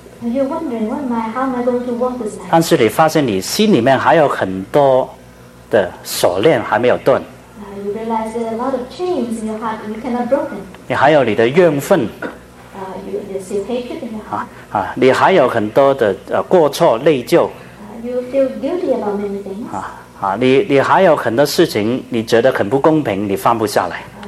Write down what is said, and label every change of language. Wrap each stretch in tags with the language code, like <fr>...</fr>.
<en>And you're wondering what am I, how am I going to walk this life?</en> <zh>但是你发现你心里面还有很多的锁链还没有断。</zh> <en>You realize there are a lot of chains in your heart you cannot broken.</en> <zh>你还有你的怨愤。</zh> <en>There's your hatred in your heart.</en> <zh>你还有很多的过错内疚。</zh> <en>You feel guilty about many things.</en> <zh>你还有很多事情你觉得很不公平，你放不下来。</zh>